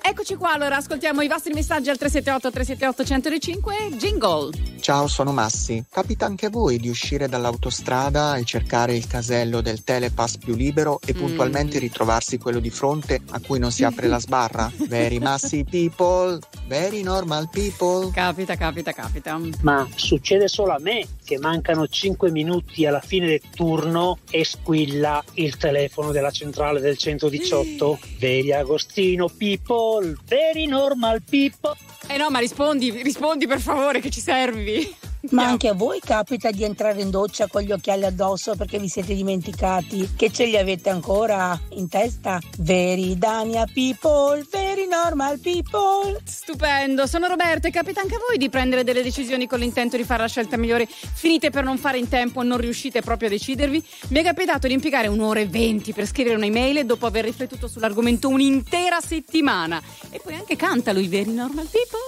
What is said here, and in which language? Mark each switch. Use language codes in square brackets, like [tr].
[it] Eccoci qua, allora ascoltiamo i vostri messaggi al 378-378-105. Jingle. Ciao, sono Massi. Capita anche a voi di uscire dall'autostrada e cercare il casello del telepass più libero e puntualmente ritrovarsi quello di fronte a cui non si apre la sbarra? [en] Very Massi people, very normal people. [it] Capita, capita, capita. Ma succede solo a me che mancano 5 minuti alla fine del turno e squilla il telefono della centrale del 118? [en] Very Agostino people, very normal people. [it] Eh no, ma rispondi, rispondi per favore, che ci servi. Ma anche a voi capita di entrare in doccia con gli occhiali addosso perché vi siete dimenticati che ce li avete ancora in testa? [en] Very Dania people, very normal people. [it] Stupendo, sono Roberto e capita anche a voi di prendere delle decisioni con l'intento di fare la scelta migliore, finite per non fare in tempo, non riuscite proprio a decidervi? Mi è capitato di impiegare 1 ora e 20 per scrivere un'email dopo aver riflettuto sull'argomento un'intera settimana. E poi anche canta lui, [en] very normal people.